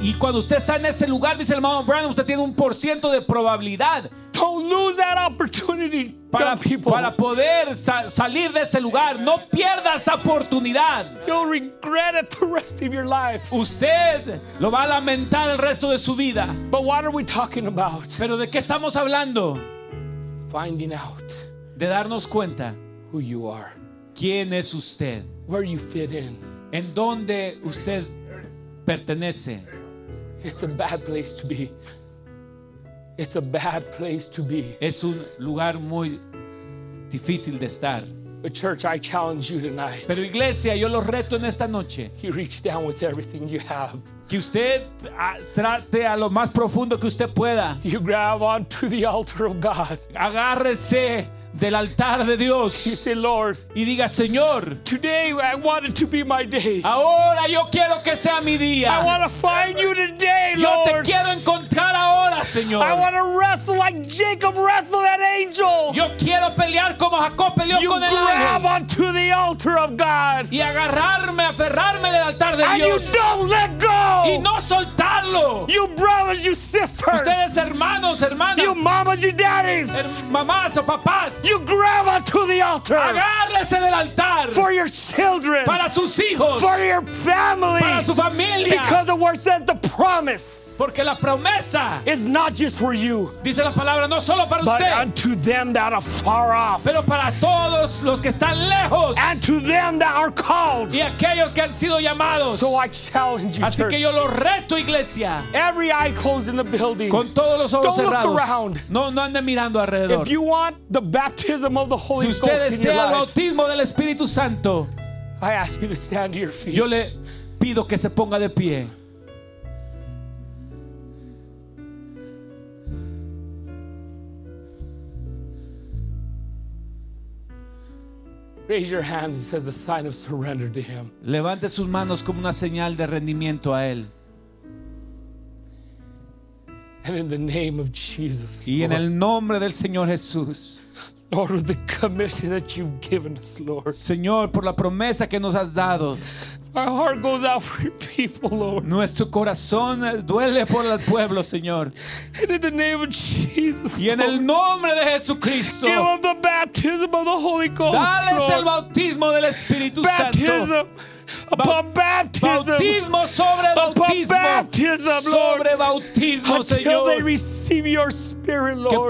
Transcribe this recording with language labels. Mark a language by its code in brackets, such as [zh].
[es] Y cuando usted está en ese lugar dice el hermano Brandon, usted tiene 1% de probabilidad. [en] Don't lose that opportunity. [es] Para poder salir de ese lugar, no pierda esa oportunidad. [en] You'll regret it the rest of your life. [es] Usted lo va a lamentar el resto de su vida. [en] But what are we talking about? [es] ¿Pero de qué estamos hablando? [en] Finding out. [es] De darnos cuenta. [en] Who you are. [es] ¿Quién es usted? [en] Where you fit in. [es] ¿En dónde usted pertenece? [en] It's a bad place to be. It's a bad place to be. [es] Es un lugar muy difícil de estar. [en] But church, I challenge you tonight. [es] Pero iglesia, yo los reto en esta noche. [en] You reach down with everything you have. [es] Que usted trate a lo más profundo que usted pueda. [en] You grab onto the altar of God. [es] Agárrese del altar de Dios. [en] You say, Lord, [es] y diga, Señor, [en] today I want it to be my day. [es] Ahora yo quiero que sea mi día. [en] I want to find you today, Lord. [es] Yo te quiero encontrar ahora, Señor. [en] I want to wrestle like Jacob wrestled that angel. [es] Yo quiero pelear como Jacob peleó [en] you [es] con el ángel. [en] Grab onto the altar of God. [es] Y agarrarme, aferrarme del altar de [en] and [es] Dios. [en] You don't let go. [es] Y no soltarlo. [en] You brothers, you sisters. [es] Ustedes hermanos, hermanas. [en] You mamas, you daddies. [es] Mamás o papás. [en] You grab onto the altar. [es] Agárrese del altar. [en] For your children. [es] Para sus hijos. [en] For your family. [es] Para su familia. [en] Because the word says the promise. [es] Porque la promesa [en] is not just for you. [es] Dice la palabra no solo para usted. [en] But unto them that are far off. [es] Pero para todos los que están lejos. [en] And to them that are called. [es] Y aquellos que han sido llamados. [en] So I challenge you, [es] así [en] church. [es] Que yo lo reto, iglesia. [en] Every eye closed in the building. [es] Con todos los ojos [en] don't [es] cerrados. [en] Look around. [es] No ande mirando alrededor. [en] If you want the baptism of the Holy [es] si [en] Ghost in your life. [es] Si usted desea el bautismo del Espíritu Santo. [en] I ask you to stand to your feet. [es] Yo le pido que se ponga de pie. [en] Raise your hands as a sign of surrender to him. [es] Levante sus manos como una señal de rendimiento a él. [en] And in the name of Jesus, [es] y en el nombre del Señor Jesús. [en] Lord, with the commission that you've given us, Lord. [es] Señor, por la promesa que nos has dado. [en] My heart goes out for your people, Lord. [es] Nuestro corazón duele por el pueblo, Señor. [en] And in the name of Jesus, [es] y en el nombre de Jesucristo. [en] Give them the baptism of the Holy Ghost, [es] dales [en] Lord. [es] Dales el bautismo del Espíritu Santo. [en] Baptism. Upon baptism, [es] bautismo sobre bautismo, [en] upon baptism, [es] sobre [en] Lord, [es] bautismo, [en] until [es] Señor, [en] they receive your spirit, Lord.